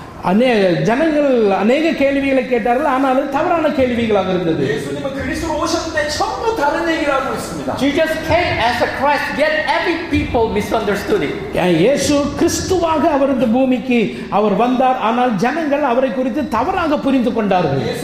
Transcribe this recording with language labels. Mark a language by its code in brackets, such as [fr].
[ta] அநேக ஜனங்கள் அநேக கேள்விகளை கேட்டார்கள், ஆனாலும் தவறான கேள்விகளாக இருந்தது. [en] Jesus came as a Christ, yet every people misunderstood it. [ta] இயேசு கிறிஸ்துவாக அவர் இந்த பூமிக்கு அவர் வந்தார், ஆனால் ஜனங்கள் அவரை குறித்து தவறாக புரிந்து கொண்டார்கள்.